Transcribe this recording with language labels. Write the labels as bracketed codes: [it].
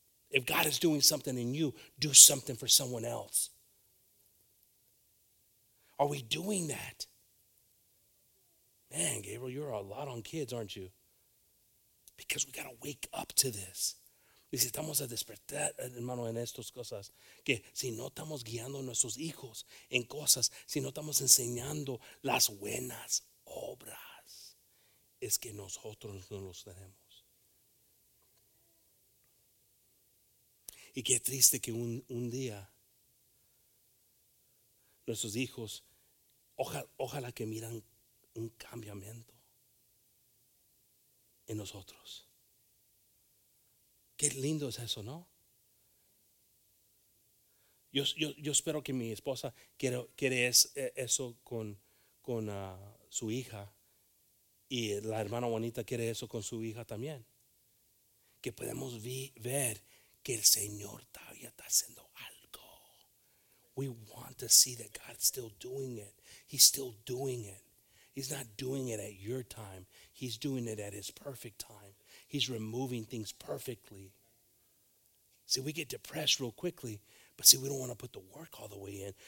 [en] If God is doing something in you, do something for someone else. Are we doing that? Man, Gabriel, you're a lot on kids, aren't you? Because we got to wake up to this. [es] necesitamos despertar, hermano, en estas cosas. Que si no estamos guiando a nuestros hijos en cosas, si no estamos enseñando las buenas obras, es que nosotros no los tenemos. Y qué triste que un día nuestros hijos, ojalá que miran un cambiamiento en nosotros. Qué lindo es eso, ¿no? Yo espero que mi esposa quiere eso con su hija, y la hermana Juanita quiere eso con su hija también. Que podemos ver que el Señor todavía está haciendo algo. [en] We want to see that God's still doing it. He's still doing it. He's not doing it at your time. He's doing it at his perfect time. He's removing things perfectly. See, we get depressed real quickly, but see, we don't want to put the work all the way in.